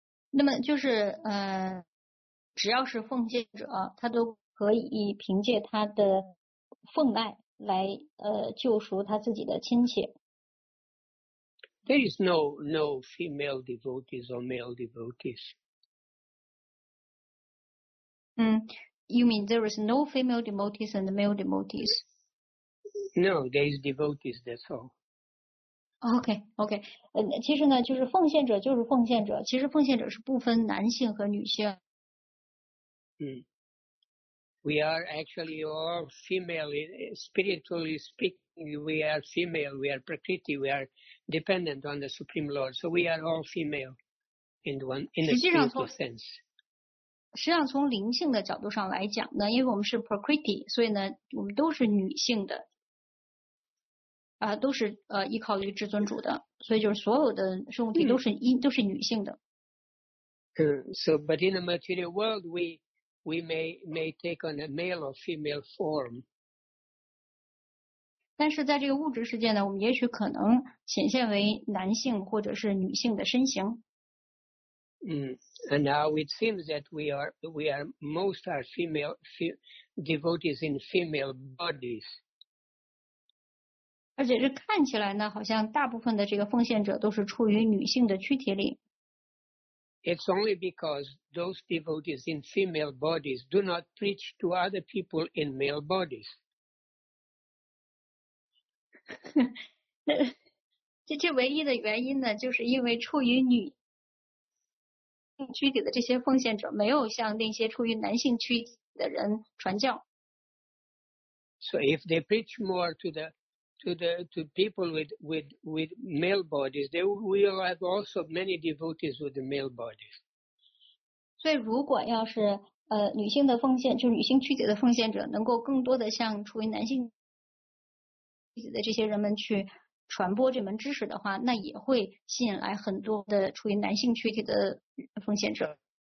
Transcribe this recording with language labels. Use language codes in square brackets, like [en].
[zh] 那么就是只要是奉献者，他都可以凭借他的奉爱来救赎他自己的亲戚。 [en] There is no female devotees or male devotees. You mean there is no female devotees and male devotees? No, there is devotees, that's all. Okay. [zh] 其实呢，就是奉献者就是奉献者，其实奉献者是不分男性和女性。 [en] We are actually all female, spiritually speaking, we are female, we are Prakriti, we are dependent on the Supreme Lord. So we are all female in the spiritual sense. [zh] 实际上从灵性的角度上来讲呢，因为我们是 Prakriti, 所以呢我们都是女性的，都是依靠于至尊主的，所以就是所有的圣物体都是都是女性的。 [en] So, but in the material world, we may take on a male or female form. [zh] 但是在这个物质世界呢，我们也许可能显现为男性或者是女性的身形。 [en] And now it seems that we are most are female devotees in female bodies. [zh] 而且这看起来呢，好像大部分的这个奉献者都是处于女性的躯体里。 [en] It's only because those devotees in female bodies do not preach to other people in male bodies. [zh] 这唯一的原因呢，就是因为处于女性躯体的这些奉献者没有向那些处于男性躯体的人传教。 [en] So if they preach more to people with male bodies, they will have also many devotees with the male bodies. [zh] 所以如果要是女性的奉献，就是女性躯体的奉献者能够更多的向处于男性躯体的这些人们去传播这门知识的话，那也会吸引来很多的处于男性躯体的奉献者。